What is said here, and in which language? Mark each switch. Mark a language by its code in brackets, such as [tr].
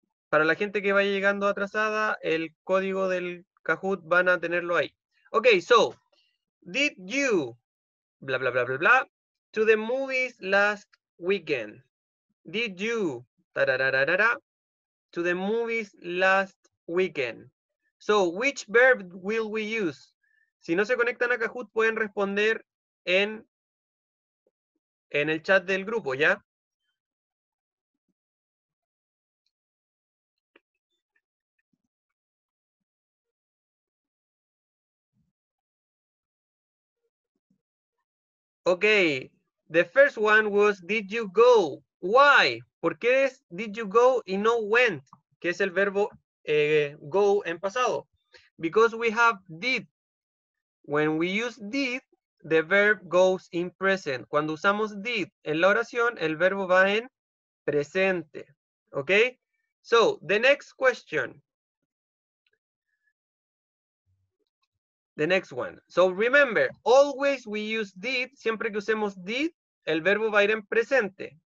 [es] Para la gente que vaya llegando atrasada, el código del Kahoot van a tenerlo ahí. [en] Okay, so, did you, blah, blah, blah, blah, blah, to the movies last weekend? Did you, tararararara, to the movies last weekend. So, which verb will we use? [es] Si no se conectan a Kahoot, pueden responder en el chat del grupo, ¿ya? [en] Okay, the first one was, did you go? Why? [es] ¿Por qué es did you go y no went? Que es el verbo go en pasado. [en] Because we have did. When we use did, the verb goes in present. [es] Cuando usamos did en la oración, el verbo va en presente. [en] Okay? So, the next question. The next one. So, remember, always we use did. [es] Siempre que usemos did, el verbo va a ir en presente.